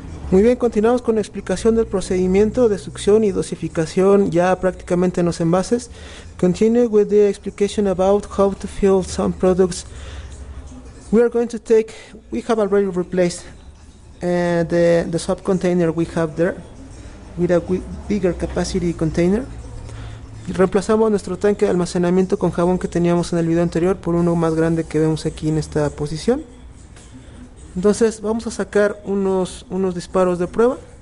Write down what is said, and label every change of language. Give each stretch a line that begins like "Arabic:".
Spanish: Muy bien, continuamos con la explicación del procedimiento de succión y dosificación ya prácticamente en los envases.
English: Continue with the explication about how to fill some products. We are going to take, we have already replaced the sub-container we have there with a bigger capacity container.
Spanish: Reemplazamos nuestro tanque de almacenamiento con jabón que teníamos en el video anterior por uno más grande que vemos aquí en esta posición. Entonces vamos a sacar unos disparos de prueba.